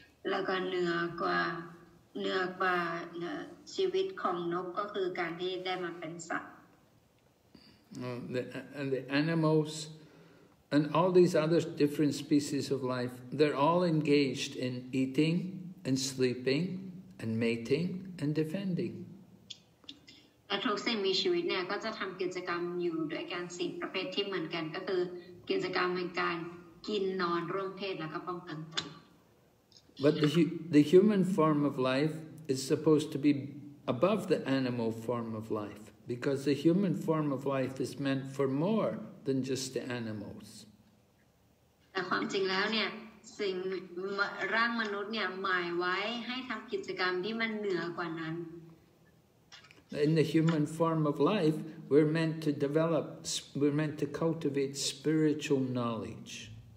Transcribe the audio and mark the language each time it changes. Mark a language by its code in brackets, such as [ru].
[th] แล้วก็เหนือกว่าชีวิตของนกก็คือการที่ได้มาเป็นสัตว์ [en] and the animals and all these other different species of life they're all engaged in eating and sleeping and mating and defending [th] และทุกสิ่งมีชีวิตเนี่ยก็จะทำกิจกรรมอยู่ด้วยการสิ่งประเภทที่เหมือนกันก็คือกิจกรรมในการกินนอนร่วมเพศแล้วก็ป้องกันตัว [en] But the human form of life is supposed to be above the animal form of life because the human form of life is meant for more than just the animals. [th] แต่ความจริงแล้วเนี่ยสิ่งร่างมนุษย์เนี่ยหมายไว้ให้ทำกิจกรรมที่มันเหนือกว่านั้น [en] In the human form of life, we're meant to develop, we're meant to cultivate spiritual knowledge.